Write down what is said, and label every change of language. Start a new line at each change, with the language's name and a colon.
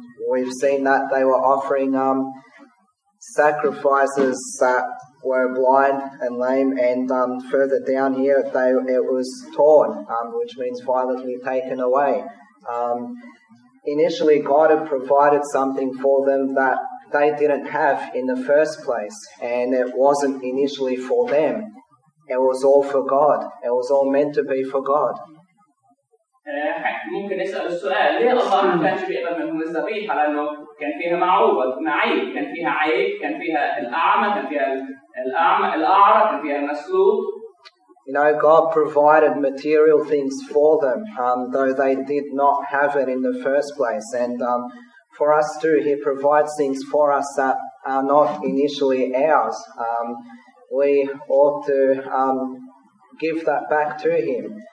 English: We've seen that they were offering sacrifices that were blind and lame, and further down here it was torn, which means violently taken away. Initially, God had provided something for them that they didn't have in the first place, and it wasn't initially for them. It was all for God. It was all meant to be for God.
Arabic: ممكن نسأل السؤال ليه الله ما كانش بيقبل منهم الذبيحة لأنه كان فيها معيب كان فيها عيب كان فيها الأعمى كان فيها الأعرى كان فيها المسلوب.
English: You know, God provided material things for them, though they did not have it in the first place. And for us too, He provides things for us that are not initially ours. We ought to give that back to Him.